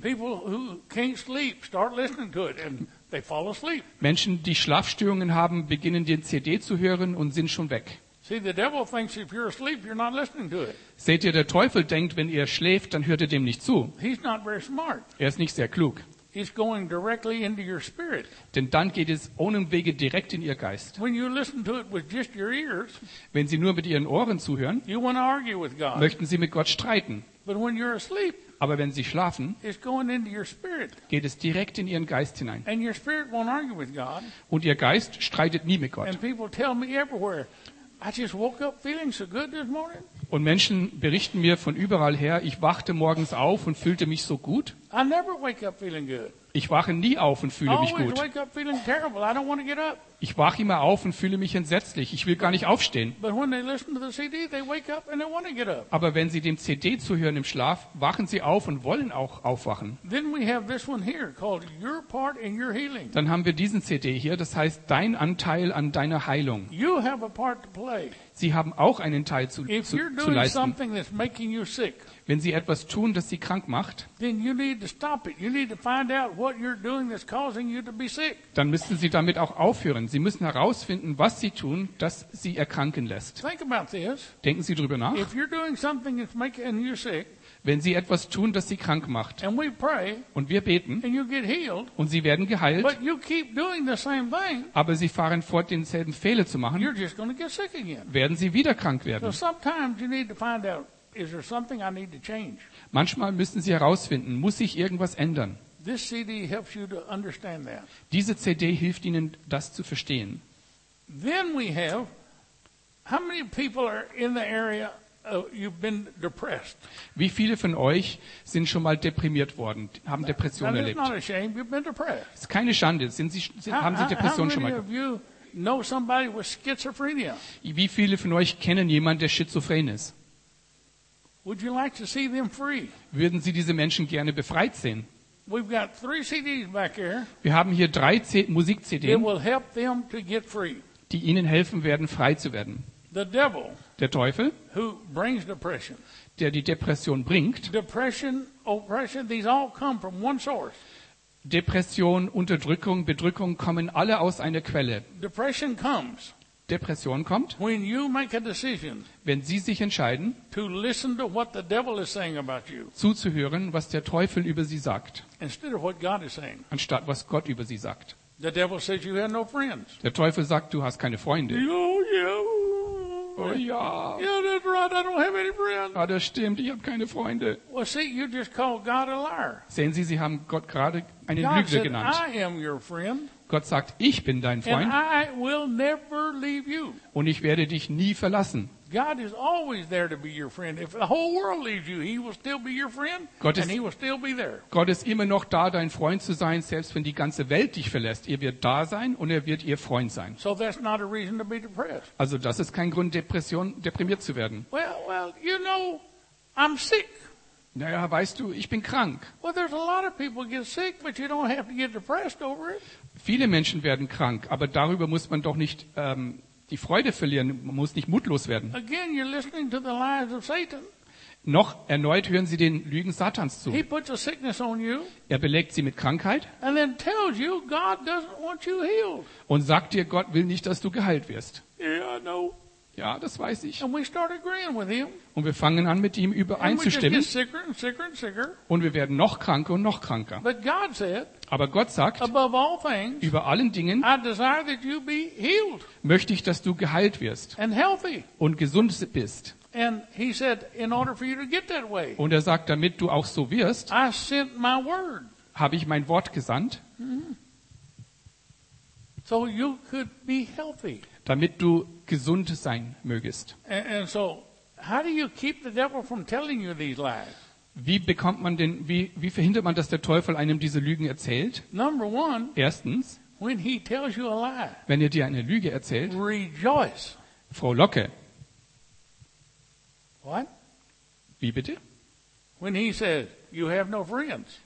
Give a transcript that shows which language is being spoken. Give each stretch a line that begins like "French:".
English: People who can't sleep start listening to it and they fall asleep.
German: Menschen, die Schlafstörungen haben, beginnen den CD zu hören und sind schon weg.
English: See, the devil thinks if you're asleep, you're not listening to it.
German: Seht ihr, der Teufel denkt, wenn ihr schläft, dann hört ihr dem nicht zu.
English: He's not very smart.
German: Er ist nicht sehr klug.
English: It's going directly into your spirit.
German: Denn dann geht es ohne Umwege direkt in ihr Geist.
English: When you listen to it with just your ears,
German: wenn Sie nur mit Ihren Ohren zuhören,
English: you want to argue with God.
German: Möchten Sie mit Gott streiten.
English: But when you're asleep,
German: aber wenn Sie schlafen,
English: it's going into your spirit.
German: Geht es direkt in Ihren Geist hinein.
English: And your spirit won't argue with God.
German: Und Ihr Geist streitet nie mit Gott.
English: And people tell me everywhere, I just woke up feeling so good this morning.
German: Und Menschen berichten mir von überall her, ich wachte morgens auf und fühlte mich so gut.
English: I never wake up feeling good.
German: Ich wache nie auf und fühle mich gut.
English: I always wake up feeling terrible. I don't want to get up.
German: Ich wache immer auf und fühle mich entsetzlich. Ich will gar nicht aufstehen.
English: But when they listen to the CD, they wake up and they want to get up.
German: Aber wenn sie dem CD zuhören im Schlaf, wachen sie auf und wollen auch aufwachen.
English: Then we have this one here called Your Part in Your Healing.
German: Dann haben wir diesen CD hier, das heißt Dein Anteil an deiner Heilung.
English: You have a part to play.
German: Sie haben auch einen Teil zu leisten.
English: If you're doing something that's making you sick,
German: wenn Sie etwas tun, das Sie krank macht, dann müssen Sie damit auch aufhören. Sie müssen herausfinden, was Sie tun, das Sie erkranken lässt.
English: Think about this.
German: Denken Sie darüber nach.
English: If you're doing something that's making you sick,
German: wenn Sie etwas tun, das Sie krank macht,
English: and we pray,
German: und wir beten,
English: and you get healed,
German: und Sie werden geheilt,
English: but you keep doing the same thing,
German: aber Sie fahren fort, denselben Fehler zu machen,
English: you're just gonna get sick again.
German: Werden Sie wieder krank werden.
English: So sometimes you need to find out, is there something I need to change?
German: Manchmal müssen Sie herausfinden, muss sich irgendwas ändern?
English: This CD helps you to understand that.
German: Diese CD hilft Ihnen, das zu verstehen.
English: Then we have, how many people are in the area? You've been depressed.
German: Wie viele von euch sind schon mal deprimiert worden, haben Depressionen erlebt?
English: Not a shame. You've been depressed.
German: Es ist keine Schande. Haben Sie Depressionen schon mal gehabt?
English: How many of you know somebody with schizophrenia?
German: Wie viele von euch kennen jemanden, der schizophren ist?
English: Would you like to see them free?
German: Würden Sie diese Menschen gerne befreit sehen?
English: We've got 3 CDs back here.
German: Wir haben hier 3 Musik-CDs.
English: It will help them to get free.
German: Die Ihnen helfen werden, frei zu werden.
English: The devil,
German: der Teufel,
English: who brings depression,
German: der die Depression bringt.
English: Depression, oppression, these all come from one source.
German: Depression, Unterdrückung, Bedrückung kommen alle aus einer Quelle.
English: Depression comes.
German: Depression kommt,
English: when you make a decision,
German: wenn Sie sich entscheiden,
English: to listen to what the devil is saying about you,
German: zuzuhören, was der Teufel über Sie sagt,
English: instead of what God is saying,
German: anstatt was Gott über Sie sagt.
English: The devil says you have no friends.
German: Der Teufel sagt, du hast keine Freunde.
English: Oh, yeah.
German: Oh ja.
English: Yeah, that's right. I don't have any friends.
German: Ah, das stimmt. Ich habe keine Freunde.
English: Well, see, you just called God a liar.
German: Sehen Sie, Sie haben Gott gerade einen Lügner genannt.
English: I am your friend.
German: Gott sagt, ich bin dein Freund.
English: And I will never leave you.
German: Und ich werde dich nie verlassen.
English: God is always there to be your friend. If the whole world leaves you, He will still be your friend, and He will still be there.
German: Gott ist immer noch da, dein Freund zu sein, selbst wenn die ganze Welt dich verlässt. Er wird da sein und er wird ihr Freund sein.
English: So that's not a reason to be depressed.
German: Also das ist kein Grund, deprimiert zu werden.
English: Well, you know, I'm sick.
German: Naja, weißt du, ich bin krank.
English: Well, there's a lot of people get sick, but you don't have to get depressed over it.
German: Viele Menschen werden krank, aber darüber muss man doch nicht die Freude verlieren, man muss nicht mutlos werden.
English: Again, you're listening to the lies of Satan.
German: Noch erneut hören Sie den Lügen Satans zu.
English: He puts a sickness on you,
German: er belegt Sie mit Krankheit
English: and then tells you God doesn't want you healed.
German: Und sagt dir, Gott will nicht, dass du geheilt wirst.
English: Yeah, I know.
German: Ja, das weiß ich.
English: And we start agreeing with him.
German: Und wir fangen an, mit ihm übereinzustimmen.
English: And we just get sicker and sicker and sicker.
German: Und wir werden noch kranker und noch kranker.
English: But God said,
German: aber Gott sagt,
English: above all things,
German: über allen Dingen
English: I desire that you be healed.
German: Möchte ich, dass du geheilt wirst
English: and healthy.
German: Und gesund bist.
English: And he said, in order for you to get that way,
German: und er sagt, damit du auch so wirst,
English: I sent my word.
German: Habe ich mein Wort gesandt.
English: Mm-hmm. So you could be healthy.
German: Damit du gesund sein mögest.
English: And so, how do you keep the devil from telling you these lies?
German: Wie bekommt man denn, wie verhindert man, dass der Teufel einem diese Lügen erzählt?
English: Number one,
German: erstens,
English: when he tells you a lie,
German: wenn er dir eine Lüge erzählt,
English: rejoice.
German: Frau Locke.
English: What?
German: Wie bitte?
English: When he says, you have no friends.